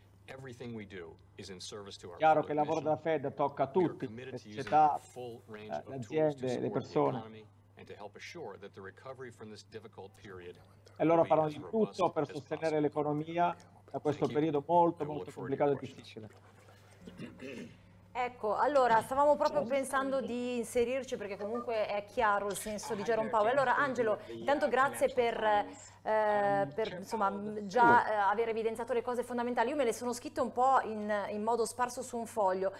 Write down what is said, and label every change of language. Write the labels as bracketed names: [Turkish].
[English] Everything we do is in service to our [Italian] chiaro che il lavoro della Fed tocca a tutti, le società, le aziende, le persone. [English] And to help assure that the recovery from this difficult period. [Italian] E loro faranno di tutto per sostenere l'economia da questo periodo molto molto complicato e difficile. Ecco, allora stavamo proprio pensando di inserirci perché comunque è chiaro il senso di Jerome Powell. Allora Angelo, intanto grazie per insomma già aver evidenziato le cose fondamentali. Io me le sono scritte un po' in modo sparso su un foglio.